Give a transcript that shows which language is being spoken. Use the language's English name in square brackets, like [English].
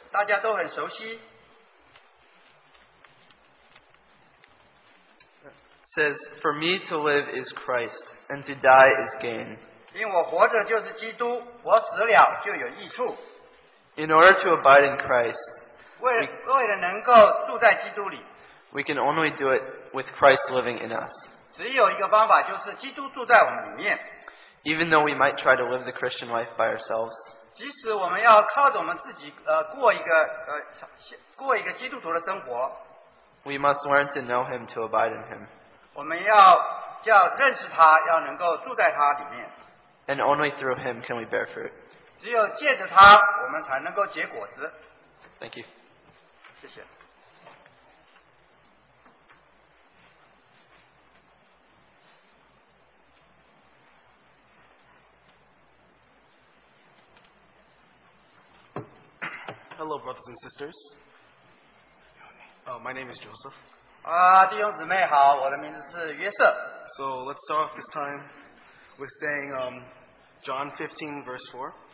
[Chinese] 大家都很熟悉。 [English] Says, "For me to live is Christ, and to die is gain." [Chinese] 因为我活着就是基督，我死了就有益处。 [English] In order to abide in Christ, [Chinese] 为了能够住在基督里， [English] we can only do it with Christ living in us. [Chinese] 只有一个方法就是基督住在我们里面。 [English] Even though we might try to live the Christian life by ourselves, [Chinese] 即使我们要靠着我们自己过一个基督徒的生活， [English] we must learn to know Him to abide in Him. [Chinese] 我们要认识他，要能够住在他里面。 [English] And only through him can we bear fruit. [Chinese] 只有借着他，我们才能够结果子。 [English] Thank you. [Chinese] 谢谢。 [English] Hello, brothers and sisters. My name is Joseph. [Chinese] 弟兄姊妹好, 我的名字是约瑟。 [English] So let's start off this time with saying John 15, verse 4.